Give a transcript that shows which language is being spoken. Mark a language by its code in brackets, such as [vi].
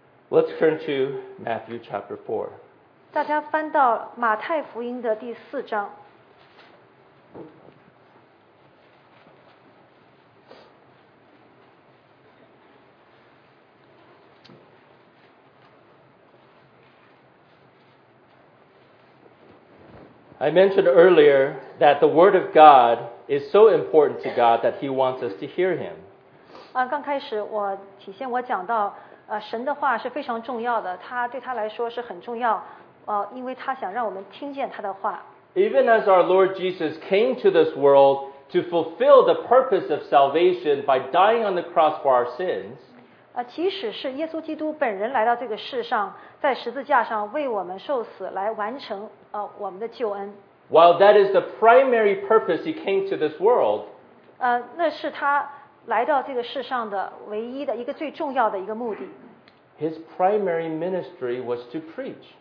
[en] Let's turn to Matthew chapter 4. [zh] 大家翻到马太福音的第四章。 [en] I mentioned earlier that the word of God is so important to God that he wants us to hear him. [zh] 刚开始我起先我讲到神的话是非常重要的，他对他来说是很重要，因为他想让我们听见他的话。 [en] Even as our Lord Jesus came to this world to fulfill the purpose of salvation by dying on the cross for our sins, [zh] 即使是耶稣基督本人来到这个世上，在十字架上为我们受死，来完成我们的救恩。 [en] While that is the primary purpose he came to this world, [zh] 那是他来到这个世上的唯一的一个最重要的一个目的。 [en] His primary ministry was to preach.